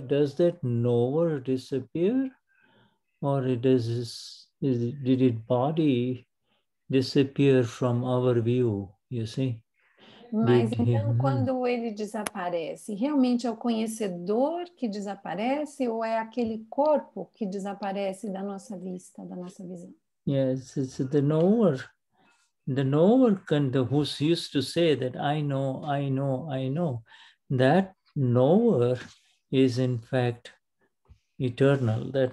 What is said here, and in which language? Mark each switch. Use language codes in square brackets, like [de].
[en] Does that knower disappear, or did his body disappear from our view? You see. [pt] Quando ele desaparece, realmente é o conhecedor que desaparece ou é aquele corpo que desaparece da nossa vista, da nossa visão? [en] Yes, it's the knower. The knower who used to say that I know, I know, I know. That knower is in fact eternal.